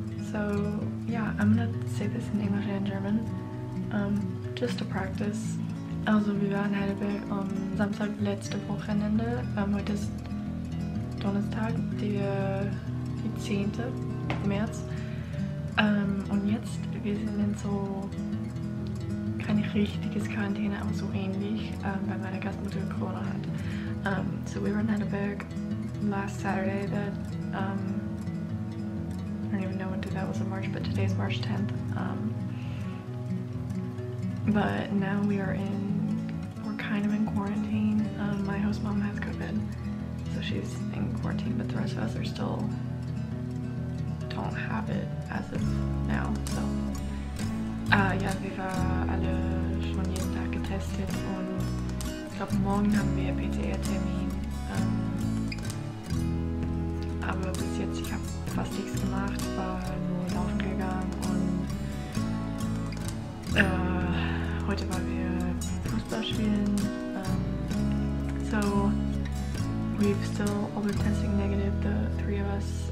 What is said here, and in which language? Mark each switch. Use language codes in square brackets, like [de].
[en] So yeah, I'm gonna say this in English and German. Just to practice. [de] Also, wir waren in Heidelberg am Samstag letzte Wochenende. Heute ist Donnerstag, der 10. März. Und jetzt, wir sind in so kein richtiges Quarantäne, aber so ähnlich, weil meine Gastmutter Corona hat. [en] So we were in Heidelberg last Saturday that I don't even know what day that was in March, but today's March 10th. But now we're kind of in quarantine. My host mom has COVID, so she's in quarantine, but the rest of us are still don't have it as of now. [de] So ja, wir waren alle schon jeden Tag getestet und ich glaube morgen haben wir PCR-Termin. Aber bis jetzt, ich habe fast nichts gemacht, war nur laufen gegangen und heute waren wir Fußball spielen. [en] So we've still all been testing negative, the three of us.